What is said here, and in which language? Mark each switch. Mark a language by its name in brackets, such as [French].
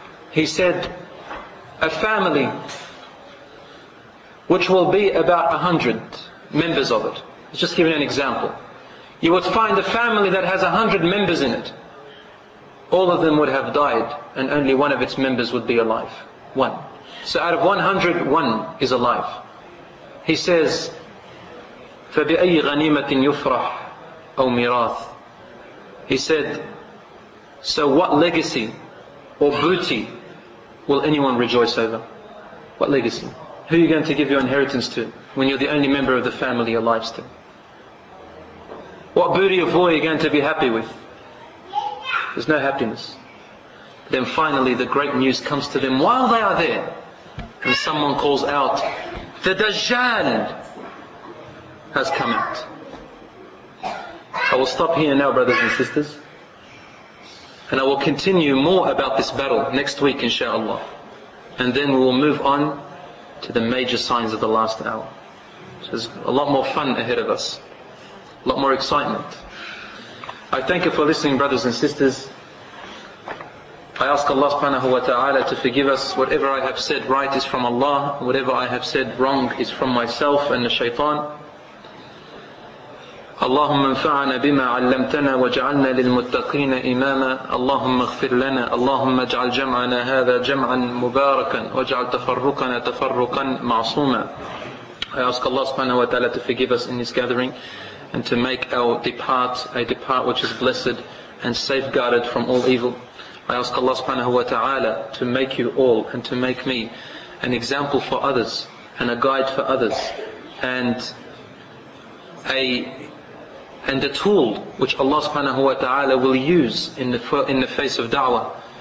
[English] He said, a family which will be about 100 members of it. Let's just give you an example. You would find a family that has 100 members in it. All of them would have died and only one of its members would be alive. One. So out of 100, one is alive. He says, [Arabic] فَبِأَيْ غَنِيمَةٍ يُفْرَحْ أَوْ مِرَاثٍ. [English] He said, so what legacy or booty will anyone rejoice over? What legacy? Who are you going to give your inheritance to when you're the only member of the family alive still? What booty of war are you going to be happy with? There's no happiness. Then finally the great news comes to them while they are there. And someone calls out, the Dajjal has come out. I will stop here now, brothers and sisters. And I will continue more about this battle next week, inshaAllah. And then we will move on to the major signs of the last hour. So there's a lot more fun ahead of us. A lot more excitement. I thank you for listening, brothers and sisters. I ask Allah subhanahu wa ta'ala to forgive us. Whatever I have said right is from Allah. Whatever I have said wrong is from myself and the shaytan. [Arabic] اللهم انفعنا بما علمتنا وجعلنا للمتقين إماما اللهم اغفر لنا اللهم اجعل جمعنا هذا جمعا مباركا واجعل تفرقنا تفرقا معصوما. [English] I ask Allah subhanahu wa ta'ala to forgive us in this gathering and to make our depart a depart which is blessed and safeguarded from all evil. I ask Allah subhanahu wa ta'ala to make you all and to make me an example for others and a guide for others and a tool which Allah subhanahu wa ta'ala will use in the face of da'wah.